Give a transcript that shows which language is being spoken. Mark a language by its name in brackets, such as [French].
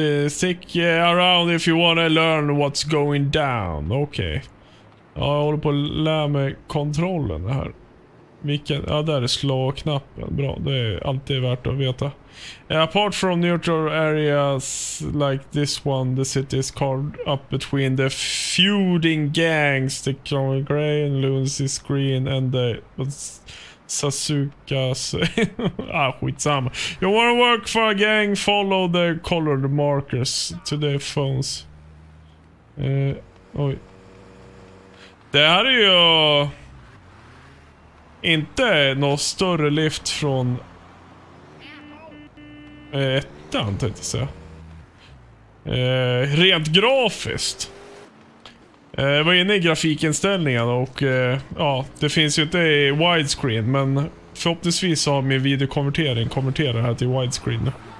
[English] Stick around if you wanna learn what's going down. Okej. Okay. [Swedish] Ja, jag håller på att lära mig kontrollen här. Vilken... Ja, där är slå-knappen. Bra, det är alltid värt att veta. [English] Apart from neutral areas like this one, the city is carved up between the feuding gangs, the Chloe Gray and Lunacy Screen and the Sasukas. [Swedish] Ah, skitsamma. [English] You wanna work for a gang, follow the colored markers to their phones. Oj. [Swedish] Det här är ju inte någon större lift från ettan, tänkte jag säga. Rent grafiskt. Jag var inne i grafikinställningen och ja, det finns ju inte i widescreen, men förhoppningsvis så har min videokonvertering konverterat här till widescreen nu.